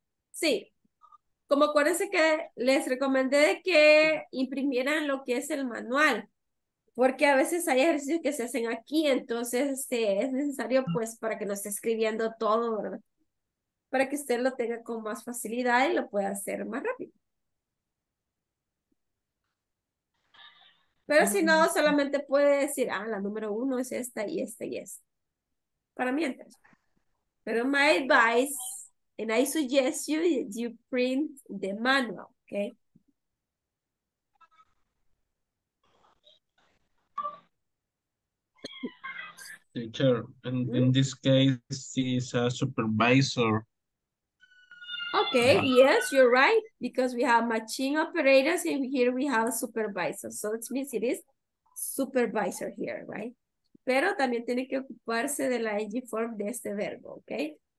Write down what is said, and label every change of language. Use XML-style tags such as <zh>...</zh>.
<es>Sí, como acuérdense que les recomendé que imprimieran lo que es el manual, porque a veces hay ejercicios que se hacen aquí, entonces es necesario pues para que no esté escribiendo todo, ¿verdad? Para que usted lo tenga con más facilidad y lo pueda hacer más rápido. Pero si no, solamente puede decir, ah, la número uno es esta y esta y esta. Para mientras. Pero</es> <en>my advice. And I suggest you print the manual, okay? Teacher, in this case, she's a supervisor. Okay, yes, you're right, because we have machine operators and here we have supervisors. So it means it is supervisor here, right?</en> <es>Pero también tiene que ocuparse de la ING form de este verbo, okay?</es>